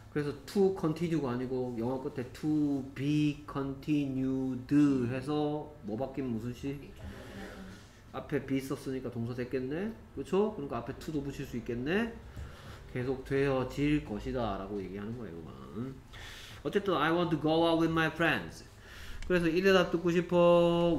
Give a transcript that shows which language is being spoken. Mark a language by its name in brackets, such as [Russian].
[Korean] 그래서 to continue가 아니고 영화 끝에 to be continued 해서 뭐 바뀌면 무슨 시? 앞에 be 썼으니까 동사 됐겠네? 그렇죠? 그러니까 앞에 to도 붙일 수 있겠네? 계속 되어질 것이다 라고 얘기하는 거예요. 이거만 어쨌든 [English] I want to go out with my friends. [Korean] 그래서 이 대답 듣고 싶어.